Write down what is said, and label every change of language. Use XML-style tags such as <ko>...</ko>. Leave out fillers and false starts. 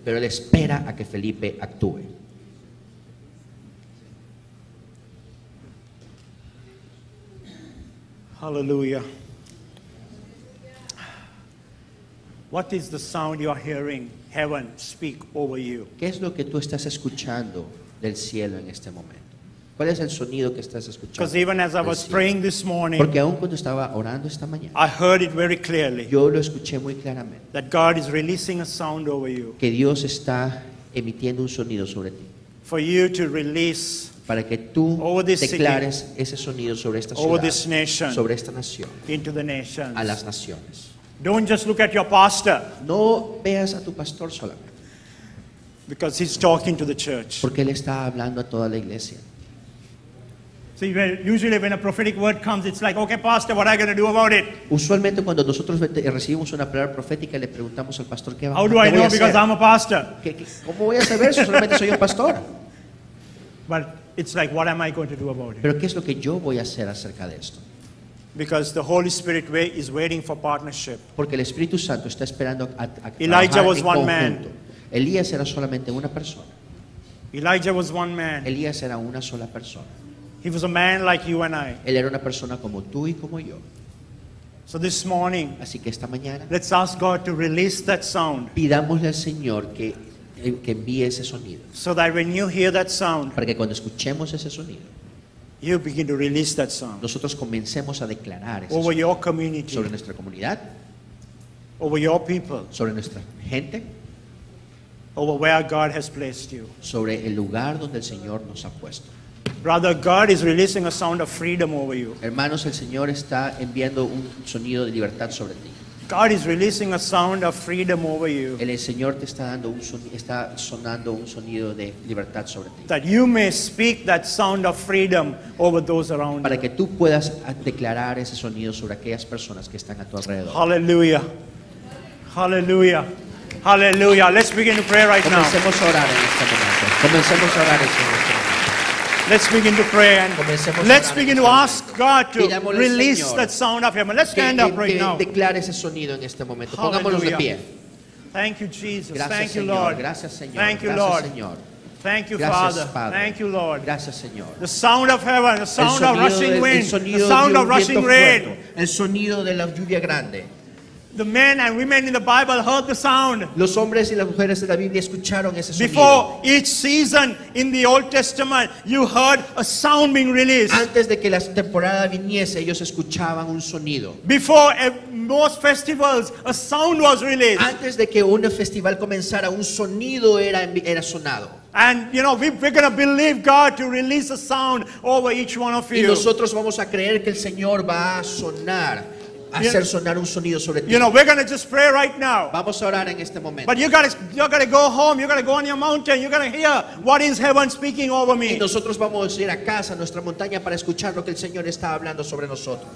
<es>Pero él espera a que Felipe actúe.</es> <en>Hallelujah. What is the sound you are hearing heaven speak over you?</en> <es>¿Qué es lo que tú estás escuchando del cielo en este momento? ¿Cuál es el sonido que estás escuchando?</es> <en>Because even as I was praying this morning,</en> <es>porque aun cuando estaba orando esta mañana,</es> <en>I heard it very clearly.</en> <es>Yo lo escuché muy claramente.</es> <en>That God is releasing a sound over you.</en> <es>Que Dios está emitiendo un sonido sobre ti.</es> <en>For you to release.</en> <es>Para que tú declares ese sonido sobre esta ciudad,</es> <en>over this nation,</en> <es>sobre esta nación,</es> <en>into the nations.</en> <es>A las naciones.</es> <en>Don't just look at your pastor.</en> <es>No veas a tu pastor solamente.</es> <en>Because he's talking to the church.</en> <es>Porque él está hablando a toda la iglesia.</es> <en>See, well, usually when a prophetic word comes, it's like, okay, pastor, what are you going to do about it?</en> <es>Usualmente cuando nosotros recibimos una palabra profética, le preguntamos al pastor qué va a hacer.</es> <en>How do I know? Because I'm a pastor.</en> <es>¿Cómo voy a saber si solamente soy un pastor?</es> <en>But it's like, what am I going to do about it?</en> <es>Pero qué es lo que yo voy a hacer acerca de esto.</es> <en>Because the Holy Spirit is waiting for partnership.</en> <es>Porque el Espíritu Santo está esperando a</es> <en>Elijah was</en> <es>conjunto.</es> <en>One man.</en> <es>Elías era solamente una persona.</es> <en>Elijah was one man.</en> <es>Elías era una sola persona.</es> <en>He was a man like you and I.</en> <es>Él era una persona como tú y como yo.</es> <en>So this morning,</en> <es>así que esta mañana,</es> <en>let's ask God to release that sound.</en> <es>Pidámosle al Señor que envíe ese sonido.</es> <en>So that when you hear that sound,</en> <es>para que cuando escuchemos ese sonido,</es> <en>you begin to release that sound.</en> <es>Nosotros comencemos a declarar ese</es> <en>over</en> <es>sonido</es> <en>your community,</en> <es>sobre nuestra comunidad,</es> <en>over your people,</en> <es>sobre nuestra gente,</es> <en>over where God has placed you,</en> <es>sobre el lugar donde el Señor nos ha puesto.</es> <en>Brother, God is releasing a sound of freedom over you.</en> <es>Hermanos, el Señor está enviando un sonido de libertad sobre ti.</es> <en>God is releasing a sound of freedom over you.</en> <es>El Señor te está dando un sonido, está sonando un sonido de libertad sobre ti.</es> <en>That you may speak that sound of freedom over those around you.</en> <es>Para que tú puedas declarar ese sonido sobre aquellas personas que están a tu alrededor.</es> <en>Hallelujah. Hallelujah. Hallelujah. Let's begin to pray right now.</en> <es>Comencemos a orar en este momento. Comencemos a orar en este momento.</es> <en>Let's begin to pray and let's begin to ask God to release that sound of heaven. Let's stand up right now.</en> <es>Declare ese sonido en este momento. Pongámonos de pie.</es> <en>Thank you, Jesus.</en> <es>Gracias,</es> <en>thank you, Lord.</en> <es>Gracias, Señor.</es> <en>Thank you, Lord.</en> <es>Gracias, Señor.</es> <en>Thank you,</en> <es>gracias,</es> <en>Father.</en> <es>Padre.</es> <en>Thank you, Lord.</en> <es>Gracias, Señor.</es> <en>The sound of heaven, the sound of rushing wind,</en> <es>el</es> <en>sound of rushing rain,</en> <es>el sonido de la lluvia grande.</es> <en>The men and women in the Bible heard the sound.</en> <es>Los hombres y las mujeres de la Biblia escucharon ese sonido.</es> <en>Before each season in the Old Testament, you heard a sound being released.</en> <es>Antes de que la temporada viniese, ellos escuchaban un sonido.</es> <en>Before most festivals, a sound was released.</en> <es>Antes de que un festival comenzara, un sonido era sonado.</es> <en>And you know we're going to believe God to release a sound over each one of you.</en> <es>Y nosotros vamos a creer que el Señor va a sonar. Hacer sonar un sonido sobre ti.</es> <en>You know, we're going to just pray right now.</en> <es>Vamos a orar en este momento.</es> <en>But you got to go home. You got to go on your mountain. You got to hear what is heaven speaking over me.</en> <es>Y nosotros vamos a ir a casa, a nuestra montaña, para escuchar lo que el Señor está hablando sobre nosotros.</es>